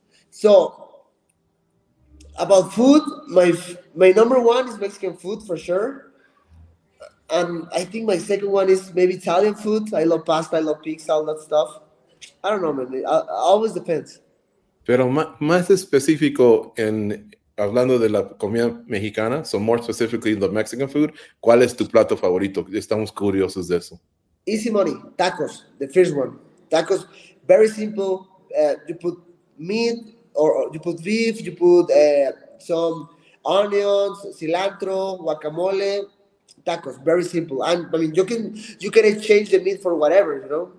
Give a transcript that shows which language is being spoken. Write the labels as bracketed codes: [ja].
[en] So about food, my number one is Mexican food for sure. And I think my second one is maybe Italian food. I love pasta, I love pizza, all that stuff. I don't know, man, it always depends. [es] Pero más específico en hablando de la comida mexicana, [en] so more specifically the Mexican food, [es] ¿cuál es tu plato favorito? Estamos curiosos de eso. [en] Easy money, tacos, the first one. Tacos, very simple. You put meat or you put beef, you put some onions, cilantro, guacamole, tacos, very simple. And I mean, you can exchange the meat for whatever, you know.